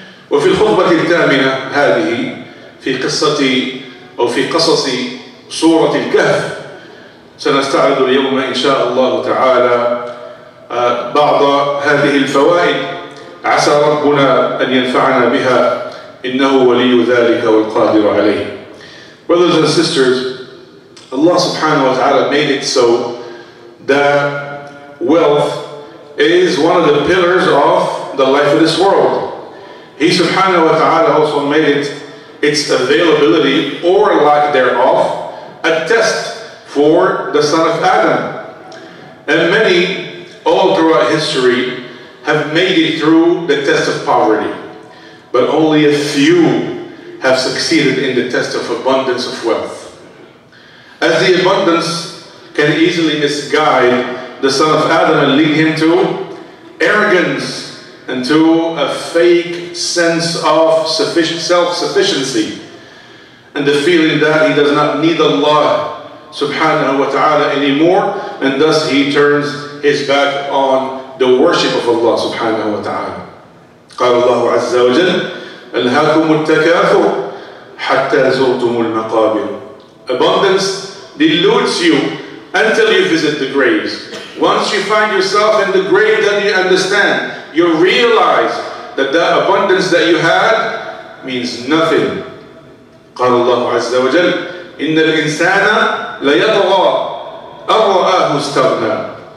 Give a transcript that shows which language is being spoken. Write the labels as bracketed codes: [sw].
[ar] وفي الخطبة الثامنة هذه في قصص سورة الكهف سنستعرض اليوم إن شاء الله تعالى بعض هذه الفوائد، عسى ربنا أن ينفعنا بها، إنه ولي ذلك والقادر عليه. [en] Brothers and sisters, Allah subhanahu wa ta'ala made it so that wealth is one of the pillars of the life of this world. He subhanahu wa ta'ala also made it its availability or lack thereof a test for the son of Adam. And many all throughout history have made it through the test of poverty, but only a few have succeeded in the test of abundance of wealth. As the abundance can easily misguide the son of Adam and lead him to arrogance and to a fake sense of self-sufficiency and the feeling that he does not need Allah subhanahu wa ta'ala anymore, and thus he turns his back on the worship of Allah subhanahu wa ta'ala. [ar] قال الله عز وجل ألهاكم التكاثر حتى زرتم المقابر. [en] Abundance deludes you until you visit the graves. Once you find yourself in the grave, then you understand, you realize that the abundance that you had means nothing. [ar] قال الله عز وجل إن الإنسان ليطغى أن رآه استغنى.